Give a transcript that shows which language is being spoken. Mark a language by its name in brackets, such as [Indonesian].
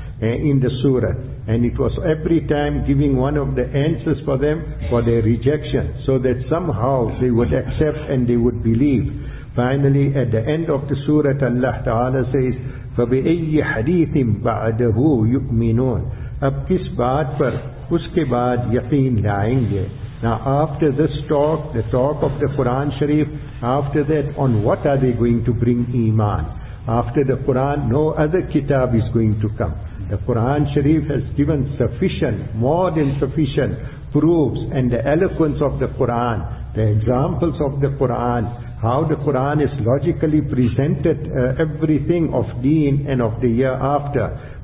[English] in the surah, and it was every time giving one of the answers for them for their rejection, so that somehow they would accept and they would believe. Finally, at the end of the surah, Allah Ta'ala says, [Arabic] فَبِأَيِّ حَدِيثٍ بَعْدَهُ يُؤْمِنُونَ. [Urdu] اب کس بات پر اس کے بعد یقین لائیں گے. [English] Now after this talk, the talk of the Quran Sharif, after that, on what are they going to bring Iman? After the Quran, no other kitab is going to come. The Quran Sharif has given sufficient, more than sufficient proofs, and the eloquence of the Quran, the examples of the Quran, how the Quran is logically presented everything of deen and of the year after.